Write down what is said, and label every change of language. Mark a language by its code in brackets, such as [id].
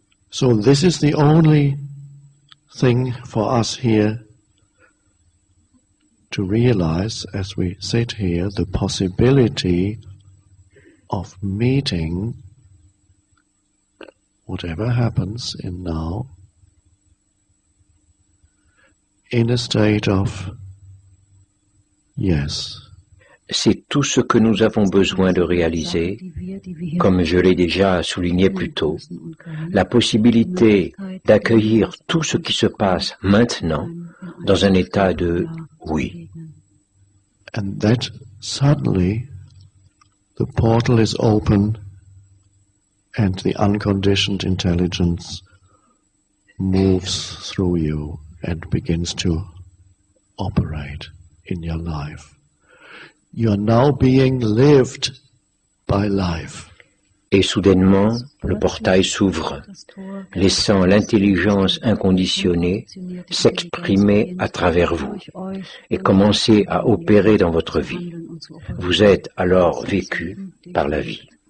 [en] So this is the only thing for us here to realize as we sit here, the possibility of meeting whatever happens in now in a state of yes. [fr] C'est tout ce que nous avons besoin de réaliser, comme je l'ai déjà souligné plus tôt, la possibilité d'accueillir tout ce qui se passe maintenant dans un état de oui. [en] And that suddenly the portal is open and the unconditioned intelligence moves through you and begins to operate in your life. You are now being lived by life. [fr] Et soudainement, le portail s'ouvre, laissant l'intelligence inconditionnée s'exprimer à travers vous et commencer à opérer dans votre vie. Vous êtes alors vécu par la vie.